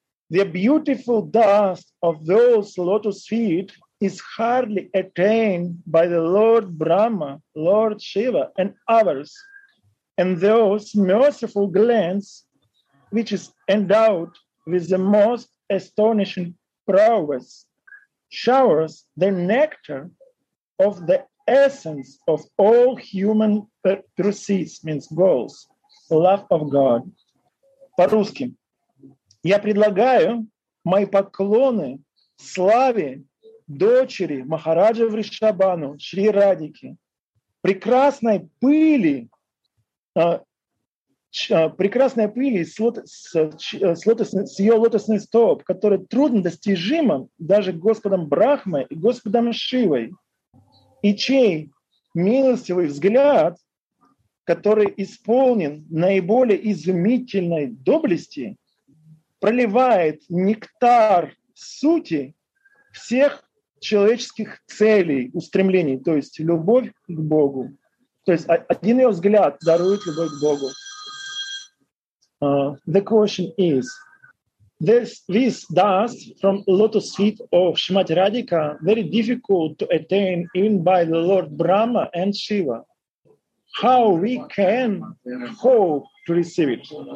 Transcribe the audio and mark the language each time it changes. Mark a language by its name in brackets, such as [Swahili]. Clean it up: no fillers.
[English] The beautiful dust of those lotus feet is hardly attained by the Lord Brahma, Lord Shiva, and others, and those merciful glands which is endowed with the most astonishing prowess, showers the nectar of the essence of all human pursuits, means goals, love of God. [Russian] По-русски. Я предлагаю мои поклоны славе дочери Махараджа Вришабану, Шри Радхики, прекрасной пыли, прекрасная пыль с ее лотосный столб, который трудно достижима даже Господом Брахмой и Господом Шивой, и чей милостивый взгляд, который исполнен наиболее изумительной доблести, проливает нектар сути всех человеческих целей, устремлений, то есть любовь к Богу. То есть один ее взгляд дарует любовь к Богу. [English] The question is, this dust from lotus feet of Shrimati Radhika very difficult to attain even by the Lord Brahma and Shiva. How we can hope to receive it?